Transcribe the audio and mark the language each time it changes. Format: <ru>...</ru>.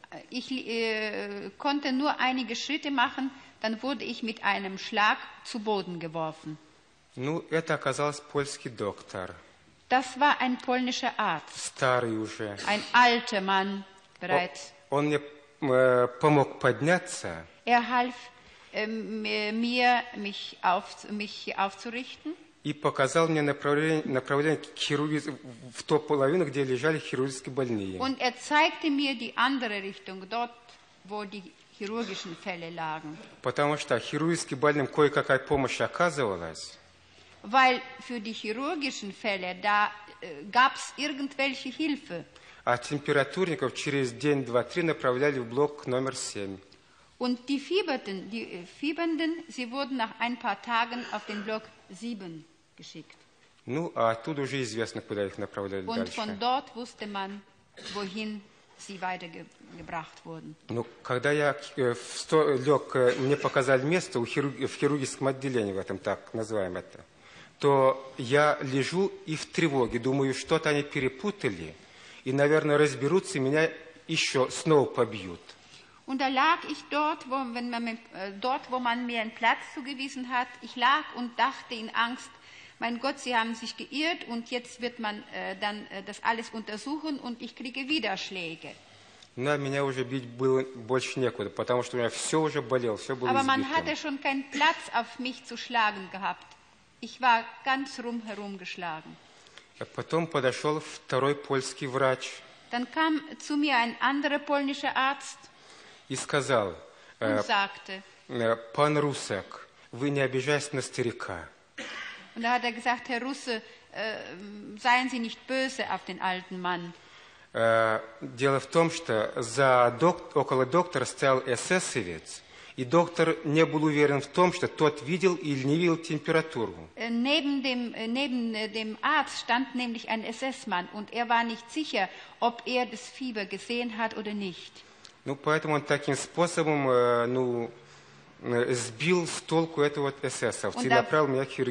<de>Ich konnte nur einige Schritte machen, dann wurde ich mit einem Schlag zu Boden geworfen.</de> <ru>Ну, это оказался польский доктор.</ru> <de>Das war ein polnischer Arzt.</de> <ru>Старый уже.</ru> <de>Ein alter Mann bereits.</de> <ru>Он мне помог подняться.</ru> <de>Er half mir, mich aufzurichten.</de> <ru>И показал мне направление к хирургии, в ту половину, где лежали хирургические больные.</ru> <de>Und er zeigte mir die andere Richtung, dort, wo die chirurgischen Fälle lagen.</de> <ru>Потому что хирургическим больным кое-какая помощь оказывалась.</ru> <de>Weil für die chirurgischen Fälle, da gab's irgendwelche Hilfe.</de> <ru>А температурников через день, два, три направляли в блок номер 7.</ru> <de>Und die Fieberten, die Fiebernden, sie wurden nach ein paar Tagen auf den Block 7 geschickt.</de> <ru>Ну, а оттуда уже известно, куда их направляли</ru> <de>Und</de> <ru>дальше.</ru> <de>Von dort wusste man, wohin sie weitergebracht wurden.</de> <ru>Но когда я лег, мне показали место в хирургическом отделении, в этом так называемом это, то я лежу и в тревоге, думаю, что-то они перепутали, и, наверное, разберутся, меня еще снова побьют.</ru> <de>Und da lag ich dort, wo, wenn man, dort, wo man mir einen Platz zugewiesen hat, ich lag und dachte in Angst, mein Gott, sie haben sich geirrt und jetzt wird man dann das alles untersuchen und ich kriege wieder Schläge.</de> <ru>Na, меня уже бить было больше некуда, потому что у меня все уже болело, все было избито.</ru> <de>Aber man hatte schon keinen Platz auf mich zu schlagen gehabt. Ich war ganz rumherum geschlagen.</de> <ru>Потом подошел второй польский врач.</ru> <de>Dann kam zu mir ein anderer polnischer Arzt.</de> <ru>И сказал,</ru> <de>sagte,</de> <ru>пан Русак, вы не обижайтесь на старика.</ru> <de>Und da hat er gesagt, Herr Russe, seien Sie nicht böse auf den alten Mann.</de> <ru>Дело в том, что за около доктора стоял эсэсовец, и доктор не был уверен в том, что тот видел или не видел температуру.</ru> <de>Neben dem Arzt stand nämlich ein SS-Mann, und er war nicht sicher, ob er das Fieber gesehen hat oder nicht.</de> <ru>Ну, поэтому он таким способом, ну, сбил с толку этого эсэсовца и направил меня к</ru>